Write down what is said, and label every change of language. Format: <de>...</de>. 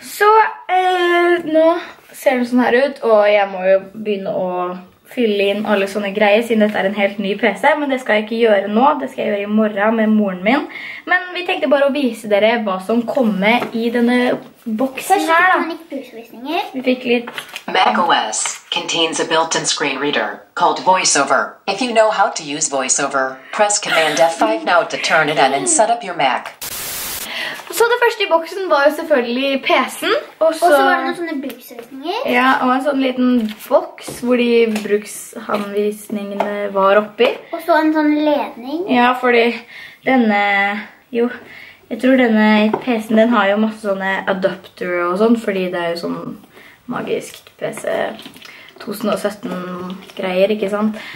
<no>Så, nå ser det sånn her ut, og jeg må jo begynne å fylle inn alle sånne greier, siden dette er en helt ny PC, men det skal jeg ikke gjøre nå. Det skal jeg gjøre i morgen med moren min. Men vi tenkte bare å vise dere hva som kommer i denne boksen her, da. Først fikk man litt brusvisninger. Vi fikk litt...</no> <en>macOS contains a built-in screen reader called VoiceOver. If you know how to use VoiceOver, press Command F5 now to turn it on and set up your Mac.</en> <no>Så det første i boksen var jo selvfølgelig PC-en, og så var det noen sånne bruksvisninger. Ja, og en sånn liten boks hvor de bruksanvisningene var oppi. Og så en sånn ledning. Ja, fordi denne, jo, jeg tror denne PC-en den har jo masse sånne adapter og sånn, fordi det er jo sånn magisk PC 2017-greier, ikke sant?</no>